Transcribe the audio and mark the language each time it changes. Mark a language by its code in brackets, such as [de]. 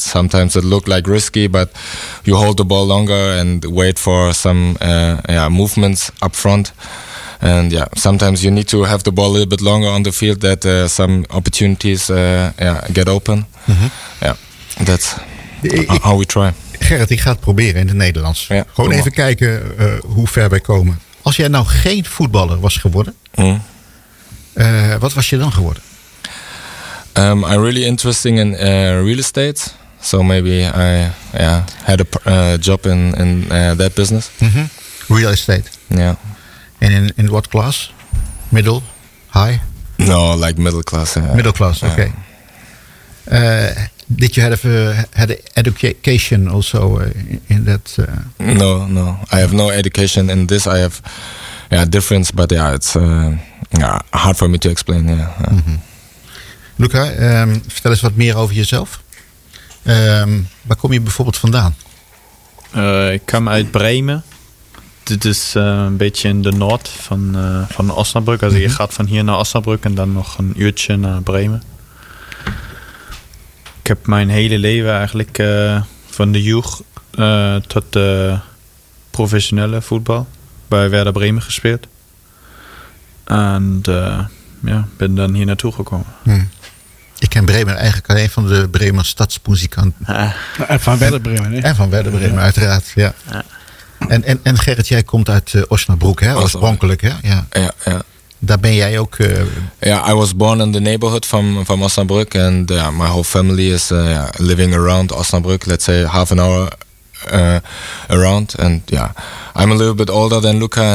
[en] Sometimes it looked like risky, but you hold the ball longer and wait for some movements up front. And sometimes you need to have the ball a little bit longer on the field that some opportunities get open. Mm-hmm. Yeah, that's how we try. [nl] Gerrit, ik ga het proberen in het Nederlands. Ja, gewoon doe even kijken hoe ver wij komen. Als jij nou geen voetballer was geworden, wat was je dan geworden? [en] I'm really interested in real estate. So maybe I had a job in that business. Mm-hmm. Real estate? Yeah. And in what class? Middle? High? No, like middle class. Middle class, okay. Yeah. Did you had an education also in that? No. I have no education in this. I have difference, but it's hard for me to explain. Yeah. Mm-hmm. [nl] Luca, vertel eens wat meer over jezelf. Waar kom je bijvoorbeeld vandaan? Ik kom uit Bremen. Dit is een beetje in de noord van Osnabrück. Also je gaat van hier naar Osnabrück en dan nog een uurtje naar Bremen. Ik heb mijn hele leven eigenlijk van de jeugd tot de professionele voetbal bij Werder Bremen gespeeld. En ben dan hier naartoe gekomen. Hmm. Ik ken Bremer eigenlijk alleen van de Bremer stadsmuzikanten. En van Werder Bremer. En van Werder Bremer, uiteraard. Ja. En Gerrit, jij komt uit Osnabrück, hè? Oorspronkelijk. Hè? Ja. Ja, ja. Daar ben jij ook... [en] Ja, I was born in the neighborhood van Osnabrück. And my whole family is living around Osnabrück. Let's say half an hour around. And I'm a little bit older than Luca.